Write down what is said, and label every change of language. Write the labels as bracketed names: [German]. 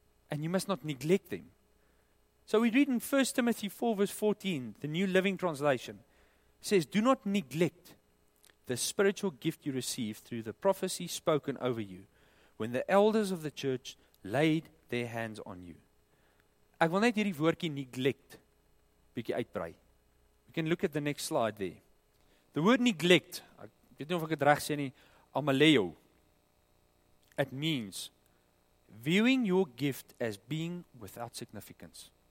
[English] And you must not neglect them. So we read in 1 Timothy 4 verse 14, the New Living Translation, says, do not neglect the spiritual gift you received through the prophecy spoken over you when the elders of the church laid their hands on you. [Afrikaans] Ek wil net hierdie woordjie neglect bietjie uitbrei. [English] We can look at the next slide there. The word neglect, [Afrikaans] ek weet nie of ek dit reg sê nie, [English] amaleo. It means viewing your gift as being without significance.